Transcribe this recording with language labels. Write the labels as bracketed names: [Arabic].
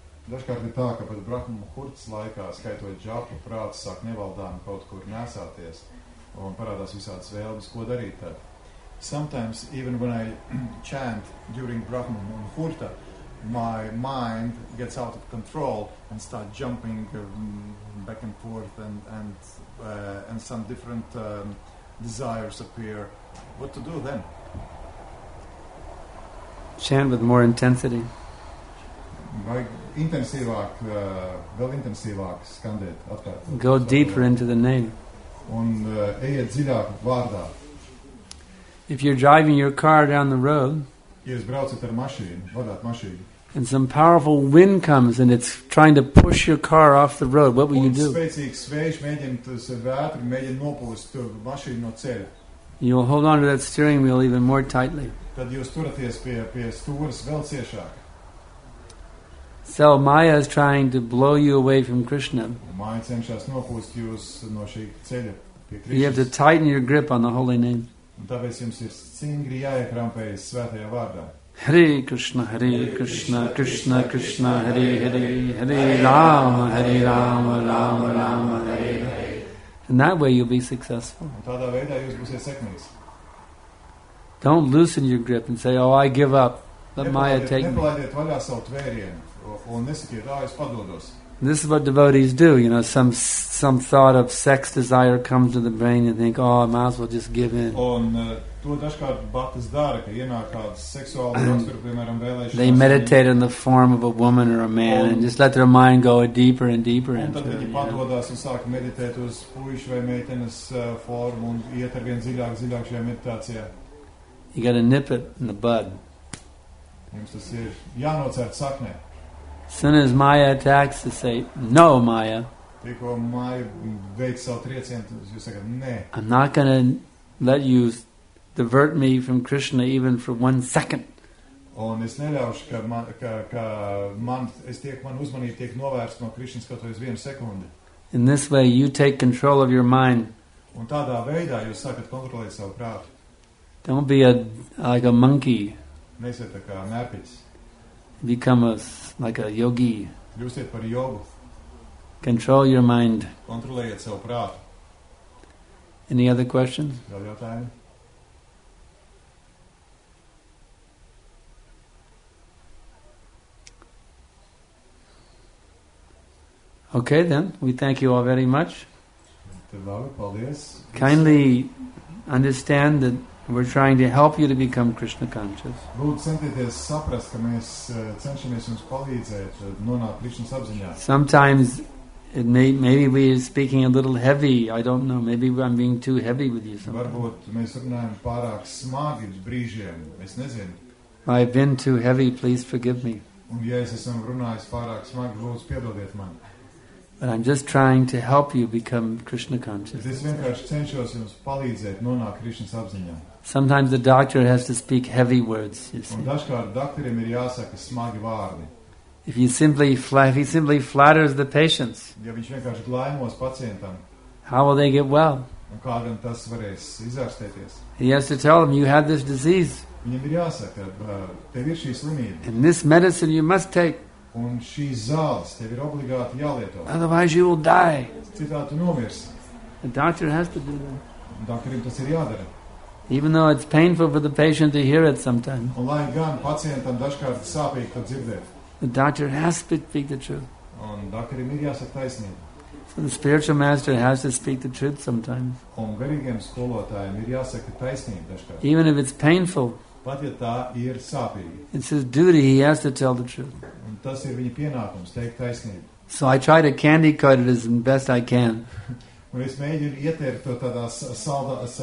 [Latvian] Dažkārt ir tā, ka pat Brahma Muhurtas laikā, skaitot džapu, prāts sāk nevaldāmi kaut kur nesāties un parādās visādas vēlmes, ko darīt tad. [English] Sometimes, even when I chant during Brahma Muhurta, my mind gets out of control and start jumping back and forth and some different desires appear. What to do then? Chant with more intensity. [Latvian] Vai intensīvāk, vēl intensīvāk skandēt atkārt. [English] Go deeper into the name. [Latvian] Un ejiet dziļāk vārdā. [English] If you're driving your car down the road, [Latvian] jūs braucat ar mašīnu, vadāt mašīnu, [English] and some powerful wind comes and it's trying to push your car off the road, what will you do? [Latvian] Spēcīgs vējš mēģina tas vētri, mēģina nopūst mašīnu no ceļa. [English] You'll hold on to that steering wheel even more tightly. [Latvian] Tad jūs turaties pie stūras vēl ciešāk. [English] So Maya is trying to blow you away from Krishna. [Latvian] Maya cenšas nopūst jūs no šī ceļa pie Krišnas. [English] You have to tighten your grip on the holy name. [Latvian] Un tāpēc jums ir cingri jāiekrampējas svētajā vārdā. [English] Hare Krishna, Krishna, Krishna, Hare Hare, Hare Rama, Hare Rama, Rama Rama, Hare Hare. In that way you'll be successful. [Latvian] Tādā veidā jūs būsiet sekmīgs. [English] Don't loosen your grip and say, oh, I give up. Let Maya take me. [Latvian] Nepalaidiet vaļā savu tvērienu un nesakiet, ā, es padodos. [English] This is what devotees do, you know, some thought of sex desire comes to the brain and think, oh, I might as well just give in. [Latvian] Un to dažkārt bhaktas dara, ka ienāk kāds seksuāls raksturu, piemēram, vēlēšanās. [English] They meditate on the form of a woman or a man and just let their mind go deeper and deeper into it. [Latvian] Un tad viņi padodās un sāk meditēt uz puišu vai meitenes formu un iet arvien dziļāk šajā meditācijā. [English] You gotta nip it in the bud. [Latvian] Jums tas ir jānocērt saknē. [English] As soon as Maya attacks, they say, no, Maya. [Latvian] Tikko Maya veic savu triecienu, jūs sakat, nē. [English] I'm not going to let you divert me from Krishna even for one second. [Latvian] Un es neļaušu, ka man uzmanība tiek novērsta no Krishnas kaut uz vienu sekundi. [English] In this way, you take control of your mind. [Latvian] Un tādā veidā jūs sākat kontrolēt savu prātu. [English] Don't be like a monkey. [Latvian] Nesiet tā kā nepis. [English] Become like a yogi. [Latvian] Jūsiet par jogu. [English] Control your mind. [Latvian] Kontrolējiet savu prātu. [English] Any other questions? [Latvian] Vēl jautājumi? [English] Okay then, we thank you all very much. [Latvian] Labi, paldies. [English] Kindly understand that we're trying to help you to become Krishna conscious. [Latvian] Lūdzu centieties saprast, ka mēs cenšamies jums palīdzēt nonākt Krishna apziņā. [English] Sometimes maybe we are speaking a little heavy. I don't know. Maybe I'm being too heavy with you sometimes. [Latvian] Varbūt mēs runājam pārāk smagi brīžiem. Es nezinu. [English] I've been too heavy. Please forgive me. [Latvian] Un ja es esmu runājis pārāk smagi, lūdzu piedodiet man. [English] But I'm just trying to help you become Krishna conscious. [Latvian] Es vienkārši cenšos jums palīdzēt nonākt Krishnas apziņā. [English] Sometimes the doctor has to speak heavy words, you see. [Latvian] Un dažkārt doktoriem ir jāsaka smagi vārdi. [English] If he simply flatters the patients, [Latvian] ja viņš vienkārši glaimos pacientam, [English] how will they get well? [Latvian] Un kā gan tas varēs izārstēties? [English] He has to tell them, you have this disease. [Latvian] Viņam ir jāsaka, tev ir šī slimība. [English] And this medicine you must take. [Latvian] Un šīs zāles tev ir obligāti jālieto. [English] Otherwise you will die. [Latvian] Citādi tu nomirsi. [English] The doctor has to do that. [Latvian] Doktorim tas ir jādara. [English] Even though it's painful for the patient to hear it sometimes. [Latvian] Un lai gan pacientam dažkārt sāpīgi to dzirdēt. [English] The doctor has to speak the truth. [Latvian] Un doktorim ir jāsaka taisnību. [English] So the spiritual master has to speak the truth sometimes. [Latvian] Un garīgiem skolotājiem ir jāsaka taisnību dažkārt. [English] Even if it's painful. [Latvian] Pat ja tā ir sāpīgi. [English] It's his duty, he has to tell the truth. [Latvian] Un tas ir viņa pienākums, teikt taisnību. [English] So I try to candy coat it as best I can. [Latvian] Un es mēģinu ietērt to tādā salda,